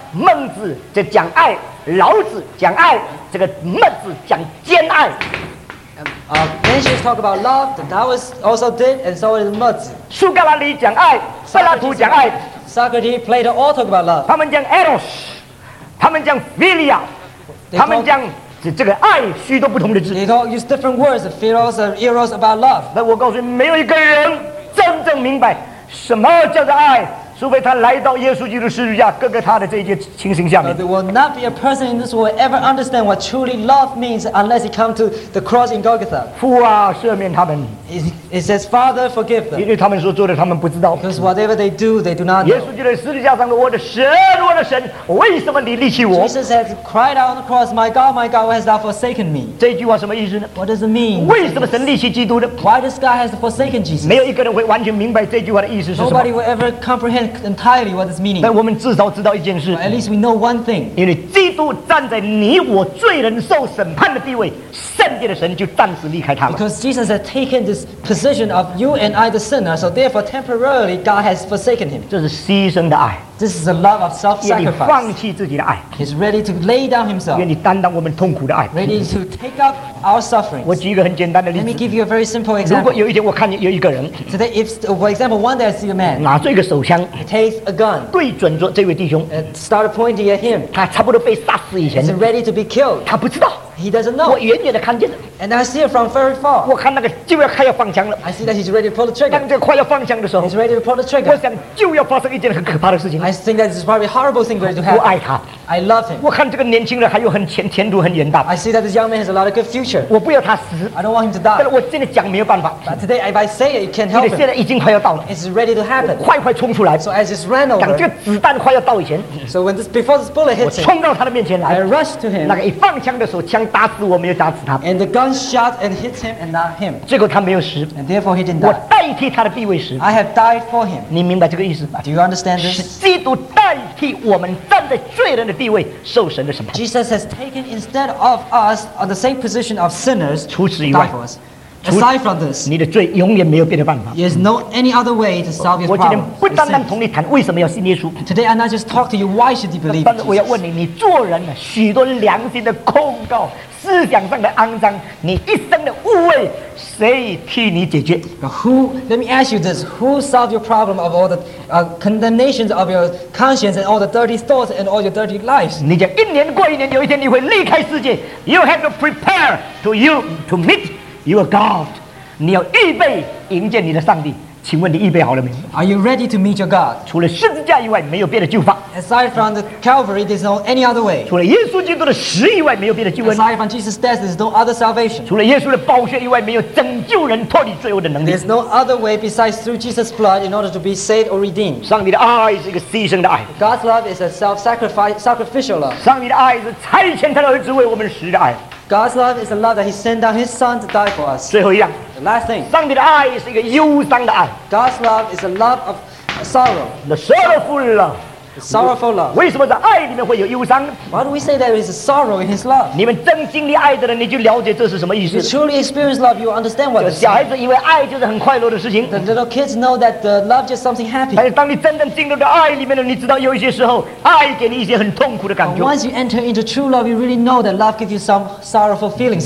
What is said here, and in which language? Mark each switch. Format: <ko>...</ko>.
<zh>孟子就讲爱，老子讲爱，这个孟子讲兼爱。</zh> <en>Confucius talk about love. The Taoists also did, and so did Mao Zedong.</en> <zh>苏格拉底讲爱，柏拉图讲爱。</zh> <en>Socrates, Plato all talk about love.</en> <zh>他们讲 Eros， 他们讲 Philia， 他们讲这个爱，许多不同的字。</zh> <en>They all use different words, Philos and Eros about love.</en> <zh>那我告诉你，没有一个人真正明白什么叫做爱。除非他来到耶稣基督十字架，割开他的这些情形下面。</zh> <en>There will not be a person in this world ever understand what truly love means unless he come to the cross in Golgotha.</en> <zh>父啊，赦免他们。</zh> <en>It says, "Father, forgive them."</en> <zh>因为他们所做的，他们不知道。</zh> <en>Because whatever they do, they do not know.</en> <zh>耶稣基督十字架上的，我的神，我的神，为什么你离弃我</zh> <en>？Jesus has cried out on the cross, "My God, my God, why hast thou forsaken me?"</en> <zh>这句话什么意思呢</zh> <en>？What does it mean?</en> <zh>为什么神离弃基督呢</zh> <en>？Why does God has forsaken Jesus?</en> <zh>没有一个人会完全明白这句话的意思是什么。</zh> <en>Nobody will ever comprehend. understand entirely what this meaning.</en> <zh>但我们至少知道一件事。</zh> <en>At least we know one thing.</en> <zh>因为基督站在你我罪人受审判的地位，圣洁的神就暂时离开他了。</zh> <en>Because Jesus has taken this position of you and I, the sinner, so therefore temporarily God has forsaken him.</en> <zh>这是牺牲的爱。</zh> <en>This is a love of self-sacrifice.</en> <zh>愿意放弃自己的爱。</zh> <en>He's ready to lay down himself.</en> <zh>愿意担当我们痛苦的爱。</zh> <en>Ready to take up our sufferings.</en> <zh>我举一个很简单的例子。</zh> <en>Let me give you a very simple example.</en> <zh>如果有一天我看见有一个人</zh> <en>，Today, if for example, one day I see a man.</en> <zh>拿着一个手枪</zh> <en>，Takes a gun.</en> <zh>对准着这位弟兄</zh> <en>，Start pointing at him.</en> <zh>他差不多被杀死以前</zh> <en>，Is ready to be killed.</en> <zh>他不知道。</zh> <en>He doesn't know.</en> <zh>我远远的看见了</zh> <en>，and I see it from very far.</en> <zh>我看那个就要快要放枪了</zh> <en>，I see that he's ready to pull the trigger.</en> <zh>当这快要放枪的时候</zh> <en>，he's ready to pull the trigger.</en> <zh>我想就要发生一件很可怕的事情</zh> <en>，I think that this is probably a horrible thing going to happen.</en> <zh>我爱他</zh> <en>，I love him.</en> <zh>我看这个年轻人还有很前途很远大</zh> <en>，I see that this young man has a lot of good future.</en> <zh>我不要他死</zh> <en>，I don't want him to die.</en> <zh>但是我现在讲没有办法</zh> <en>，but today if I say it, it can't help.</en> <zh>现在已经快要到了</zh> <en>，it's ready to happen.</en> <zh>快快冲出来</zh> <en>，so as it's ran over.</en> <zh>当这个子弹快要到以前</zh> <en>，so when this before this bullet hits,</en> <zh>我冲到他的面前来</zh> <en>，I rush to him.</en> <zh>那个一放枪的时候，枪打死我没有打死他</zh> <en>and the gun shot and hits him and not him</en> <zh>结果他没有死</zh> <en>and therefore he didn't die</en> <zh>我代替他的地位死</zh> <en>I have died for him</en> <zh>你明白这个意思吗</zh> <en>do you understand this</en> <zh>是基督代替我们站在罪人的地位受神的审判</zh> <en>Jesus has taken instead of us on the same position of sinners</en> <zh>除此以外</zh> <en>aside from this</en> <zh>你的罪永远没有别的办法</zh> <en>there's no any other way to solve your problem</en> <zh>我今天不单单同你谈为什么要信耶稣</zh> <en>today I'm not just talk to you why should you believe</en> <zh>但是我要问你你做人许多良心的控告思想上的肮脏，你一生的污秽，谁替你解决</zh> <en>？Who? Let me ask you this: Who solved your problem of all the condemnations of your conscience and all the dirty thoughts and all your dirty lives?</en> <zh>你讲一年过一年，有一天你会离开世界。</zh> <en>You have to prepare to meet your God.</en> <zh>你要预备迎接你的上帝。请问你预备好了没有</zh> <en>？Are you ready to meet your God?</en> <zh>除了十字架以外，没有别的救法。</zh> <en>Aside from the Calvary, there's no any other way.</en> <zh>除了耶稣基督的死以外，没有别的救恩。</zh> <en>Aside from Jesus' death, there's no other salvation.</en> <zh>除了耶稣的宝血以外，没有拯救人脱离罪恶的能力。</zh> <en>There's no other way besides through Jesus' blood in order to be saved or redeemed.</en> <zh>上帝的爱是一个牺牲的爱。</zh> <en>God's love is a self-sacrificial love.</en> <zh>上帝的爱是差遣他的儿子为我们死的爱。</zh> <en>God's love is a love that He sent down His Son to die for us.</en> <zh>最后一样</zh> <en>The last thing.</en> <zh>上帝的爱是一个忧伤的爱</zh> <en>God's love is a love of sorrow. The sorrowful love. The sorrowful love.</en> <zh>为什么在爱里面会有忧伤</zh> <en>Why do we say there is a sorrow in His love?</en> <zh>你们真经历爱的人，你就了解这是什么意思</zh> <en>You truly experience love, you understand what this is.</en> <zh>小孩子以为爱就是很快乐的事情</zh> <en>The little kids know that the love just something happy.</en> <zh>但是当你真正进入到爱里面了，你知道有一些时候爱给你一些很痛苦的感觉</zh> <en>Once you enter into true love, you really know that love gives you some sorrowful feelings.</en>